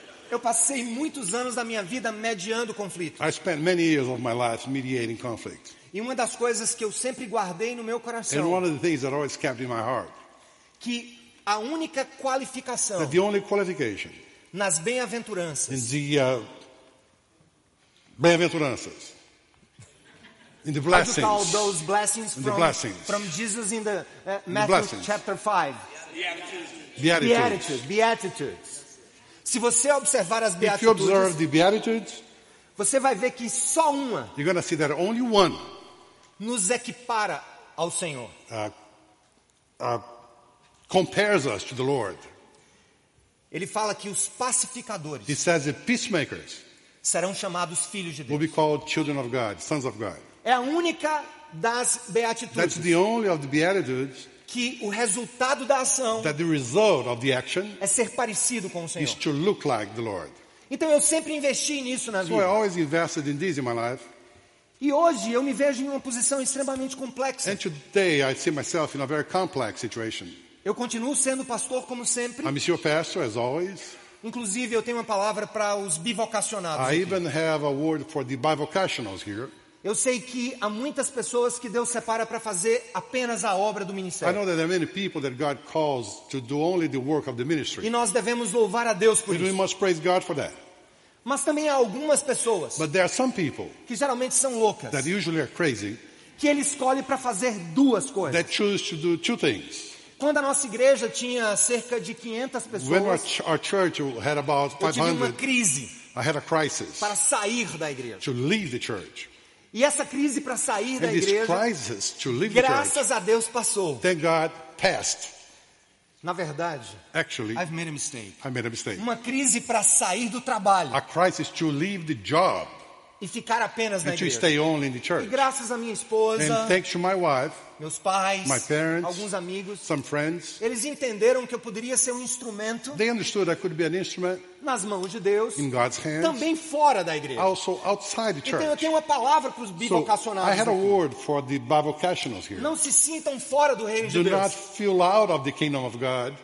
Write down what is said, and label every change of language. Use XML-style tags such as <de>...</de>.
<pt>Eu passei muitos anos da minha vida mediando conflitos.</pt> <en>I spent many years of my life mediating conflict.</en> <pt>E uma das coisas que eu sempre guardei no meu coração.</pt> <en>And one of the things that always kept in my heart.</en> <pt>Que a única qualificação.</pt> <en>That the only qualification.</en> <pt>Nas bem-aventuranças.</pt> <en>In the bem-aventuranças. In the blessings. How do you call those blessings, from Jesus in the Matthew chapter 5? Beatitudes.</en> <pt>Beatitudes. Se você observar as beatitudes,</pt> <en>if you observe the beatitudes,</en> <pt>você vai ver que só uma,</pt> <en>you're going to see that only one,</en> <pt>nos equipara ao Senhor.</pt> <en>Compares us to the Lord.</en> <pt>Ele fala que os pacificadores,</pt> <en>he says the peacemakers,</en> <pt>serão chamados filhos de Deus.</pt> <en>Will be called children of God, sons of God.</en> <pt>É a única das beatitudes.</pt> <en>That's the only of the beatitudes.</en> <pt>Que o resultado da ação.</pt> <en>That the result of the action.</en> <pt>É ser parecido com o Senhor.</pt> <en>Is to look like the Lord.</en> <pt>Então eu sempre investi nisso na vida.</pt> <en>So I always invested in this in my life.</en> <pt>E hoje eu me vejo em uma posição extremamente complexa.</pt> <en>And today I see myself in a very complex situation.</en> <pt>Eu continuo sendo pastor como sempre.</pt> <en>I'm still pastor as always.</en> <pt>Inclusive eu tenho uma palavra para os bivocacionados.</pt> <en>I even have a word for the bivocationals here.</en> <pt>Eu sei que há muitas pessoas que Deus separa para fazer apenas a obra do ministério.</pt> <en>I know that there are many people that God calls to do only the work of the ministry.</en> <pt>E nós devemos louvar a Deus por isso.</pt> <en>We must praise God for that.</en> <pt>Mas também há algumas pessoas.</pt> <en>But there are some people</en> <pt>que geralmente são loucas.</pt> <en>That usually are crazy.</en> <pt>Que ele escolhe para fazer duas coisas.</pt> <en>That choose to do two things.</en> <pt>Quando a nossa igreja tinha cerca de 500 pessoas.</pt> <en>When our church had about 500.</en> <pt>Eu tive uma crise.</pt> <en>I had a crisis.</en> <pt>Para sair da igreja.</pt> <en>To leave the church.</en> <pt>E essa crise para sair</pt> <en>and</en> <pt>da igreja,</pt> <en>crisis,</en> <pt>graças a Deus passou.</pt> <en>Thank God passed.</en> <pt>Na verdade,</pt> <en>actually, I've made a mistake. I made a mistake.</en> <pt>Uma crise para sair do trabalho.</pt> <en>A crisis to leave the job.</en> <pt>E ficar apenas</pt> <en>and</en> <pt>na igreja.</pt> <en>And to stay only in the church.</en> <pt>E graças à minha esposa,</pt> <en>and thanks to my wife,</en> <pt>meus pais,</pt> <en>my parents,</en> <pt>alguns amigos,</pt> <en>some friends,</en> <pt>eles entenderam que eu poderia ser um instrumento.</pt> <en>They understood I could be an instrument.</en> <pt>Nas mãos de Deus.</pt> <en>In God's hands.</en> <pt>Também fora da igreja.</pt> <en>Also outside the church.</en> <pt>Então eu tenho uma palavra para os bivocacionais.</pt> <en>So I had a word for the bivocationals here.</en> <pt>Não se sintam fora do reino do de Deus.</pt> <en>Do not feel out of the kingdom of God.</en>